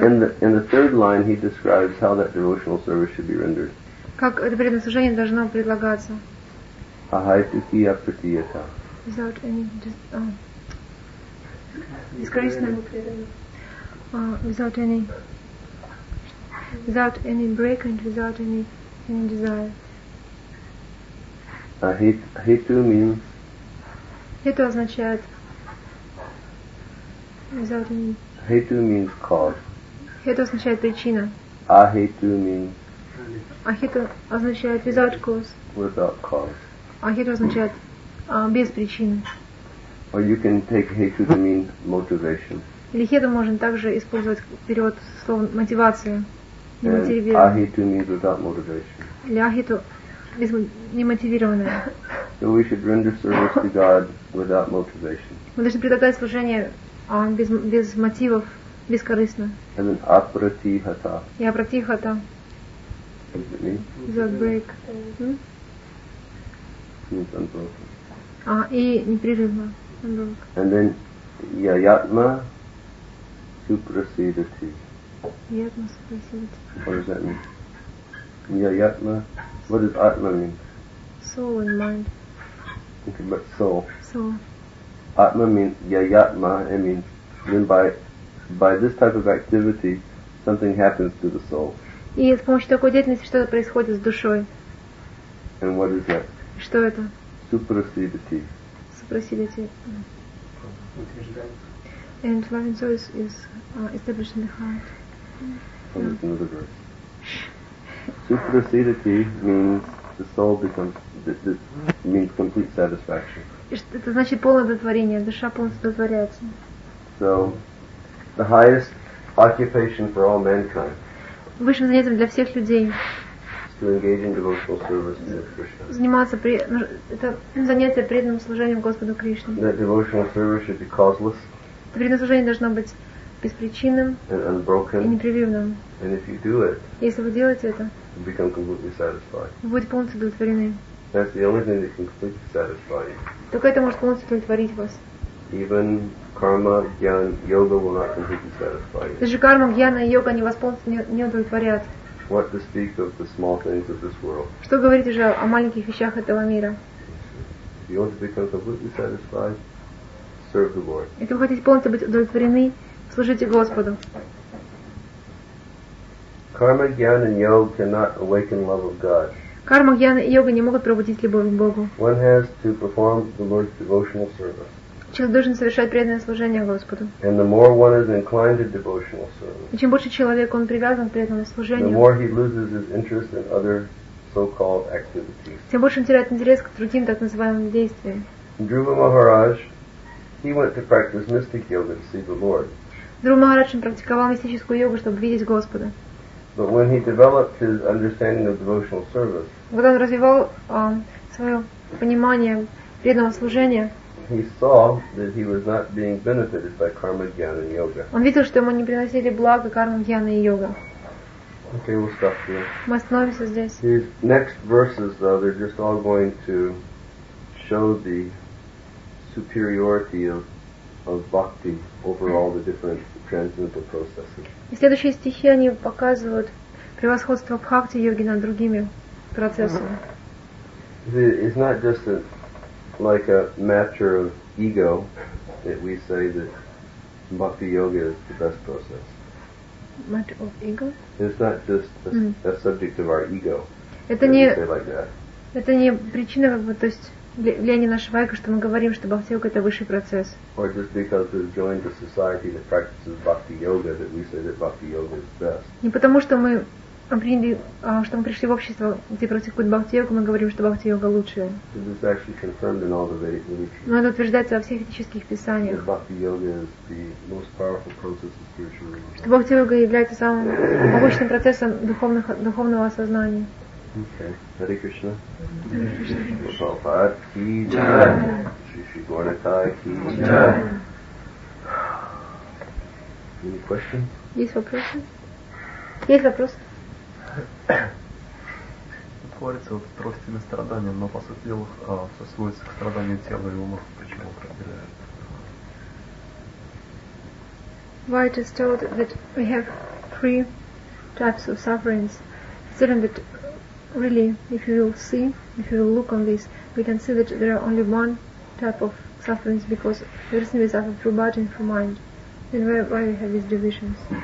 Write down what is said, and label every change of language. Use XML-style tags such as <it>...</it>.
<en>In the third line he describes how that devotional service should be rendered.</en> <ru>Как это преднаслужение должно предлагаться?</ru> <sa>Ахайтухия притиета.</sa> <en>Without any without any break and without any desire. Hetu means.</en> <ru>Hetu означает.</ru> <en>Without any. Hetu means cause.</en> <ru>Hetu означает причина.</ru> <en>Ahetu means.</en> <ru>Ahetu означает</ru> <en>without cause. Without cause.</en> <ru>Ahetu означает без причины.</ru> <en>Or you can take hetu to mean motivation.</en> <ru>Или hetu можно также использовать перевод слова мотивация.</ru> <en>Ahetu means without motivation.</en> <ru>Или ahetu.</ru> <en>So we should render service to God without motivation.</en> <ru>Мы должны предлагать служение без мотивов, бескорыстно.</ru> <en>And then апратихата.</en> <ru>И апратихата.</ru> <en>Without break. Means unbroken.</en> <ru>И непрерывно.</ru> <en>And then</en> <sa>яятма супрасидати. Яятма супрасидати.</sa> <en>What does that mean? Яятма. What does Atma mean? Soul and mind. Okay, but soul. Soul. Atma means yayatma. It means then by this type of activity, something happens to the soul.</en> <ru>И с помощью такой деятельности что-то происходит с душой.</ru> <en>And what is that?</en> <ru>Что это?</ru> <sa>Supersedity. Supersedity.</sa> <en>And loving soul is established in the heart. Oh, that's another verse. Supersedity means the soul becomes means complete satisfaction.</en> <ru>Это значит полное удовлетворение. Душа полностью удовлетворяется.</ru> <en>So, the highest occupation for all mankind.</en> <ru>Высшим занятием для всех людей.</ru> <en>To engage in devotional service to Krishna.</en> <ru>Заниматься это занятие преданным служением Господу Кришне.</ru> <en>That devotional service should be causeless.</en> <ru>Это преданное должно быть беспричинным</ru> <en>and unbroken,</en> <ru>и непрерывным.</ru> <en>And if you do it,</en> <ru>если вы делаете это,</ru> <en>you become completely satisfied.</en> <ru>Вы будете полностью удовлетворены.</ru> <en>That's the only thing that can completely satisfy you.</en> <ru>Только это может полностью удовлетворить вас.</ru> <en>Even karma, jnana, yoga will not completely satisfy you.</en> <ru>Даже карма, джняна и йога не вас полностью не удовлетворят.</ru> <en>What to speak of the small things of this world?</en> <ru>Что говорить уже о маленьких вещах этого мира?</ru> <en>If you want to become completely satisfied, serve the Lord.</en> <ru>Если вы хотите полностью быть удовлетворены, служите Господу.</ru> <en>Karma, jnana and yoga cannot awaken love of God.</en> <ru>Карма, джняна и йога не могут пробудить любовь к Богу.</ru> <en>One has to perform the Lord's devotional service.</en> <ru>Человек должен совершать преданное служение Господу.</ru> <en>And the more one is inclined to devotional service.</en> <ru>И чем больше человек он привязан к преданному служению.</ru> <en>The more he loses his interest in other so-called activities.</en> <ru>Тем больше он теряет интерес к другим так называемым действиям.</ru> <en>Dhruva Maharaj, he went to practice mystic yoga to see the Lord.</en> <ru>Dhruva Maharaj практиковал мистическую йогу, чтобы видеть Господа.</ru> <en>But when he developed his understanding of devotional service,</en> <ru>когда он развивал свое понимание преданного служения,</ru> <en>he saw that he was not being benefited by karma, jnana and yoga.</en> <ru>Он видел, что ему не приносили блага карма, джняна и йога.</ru> <en>Okay, we'll stop here.</en> <ru>Мы остановимся здесь.</ru> <en>These next verses, though, they're just all going to show the superiority of bhakti over all the different transcendental processes.</en> <ru>И следующие стихи, они показывают превосходство бхакти-йоги над другими процессами.</ru> <en>It's not just like a matter of ego that we say that bhakti-yoga is the best process. Matter of ego? It's not just a subject of our ego.</en> <ru>Это не,</ru> <en>say like that.</en> <ru>Это не причина, как бы, то есть влияние нашего эго, что мы говорим, что бхакти-йога — это высший процесс.</ru> <en>Or just because we've joined a society that practices bhakti-yoga, that we say that bhakti-yoga is best.</en> <ru>Не потому, что мы приняли, что мы пришли в общество, где практикуют бхакти-йогу, мы говорим, что бхакти-йога лучшая.</ru> <en>This is actually confirmed in all the Vedic literature.</en> <ru>Но это утверждается во всех этических писаниях.</ru> <en>That bhakti-yoga is the most powerful process of spiritual realization.</en> <ru>Что бхакти-йога является самым мощным процессом духовного осознания.</ru> <en>Okay, Hare Krishna. Hare Krishna.</en> <hi>Prabhupada ki jai. Shri Shri Gaurika ki jai.</hi> <en>Any question?</en> <ru>Есть вопросы? Есть вопрос? Тут говорится вот тростями страдания, но по сути дела все сводится к страданию тела и ума. Почему он проделяет?</ru> <en>why it is told that we have three types of sufferings. Certain that really, if you will see, if you will look on this, we can see that there are only one type of sufferings, because there is no suffering through body and through mind. Then why we have these divisions?</en>